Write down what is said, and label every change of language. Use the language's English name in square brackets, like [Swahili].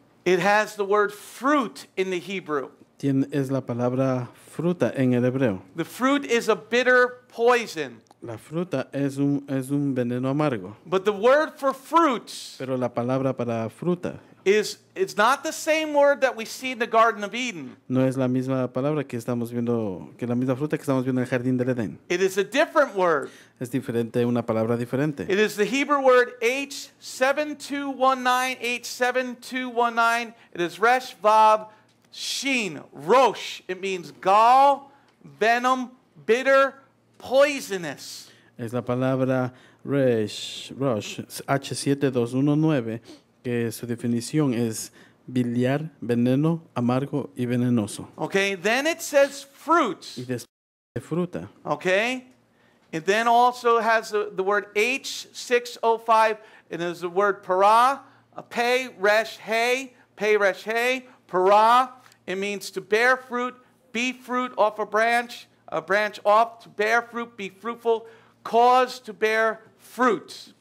[English] It has the word fruit in the Hebrew. [Spanish] Es la palabra fruta en el hebreo. [English] The fruit is a bitter poison. [Spanish] La fruta es un veneno amargo. [English] But the word for fruits. [Spanish] Pero la palabra para fruta. [English] It's not the same word that we see in the Garden of Eden. [Spanish] No es la misma palabra que estamos viendo, que la misma fruta que estamos viendo en el jardín del Edén. [English] It is a different word. [Spanish] Es diferente, una palabra diferente. [English] It is the Hebrew word H7219. It is resh vav shin rosh. It means gall, venom, bitter, poisonous. [Spanish] Es la palabra resh rosh H7219. Que su definición es biliar, veneno, amargo y venenoso. [English] Okay, then it says fruits. [Spanish] Y después fruta. [English] Okay, and then also has the word H605, and there's the word para, pe resh hay, para. It means to bear fruit, be fruit off a branch off, to bear fruit, be fruitful, cause to bear fruit.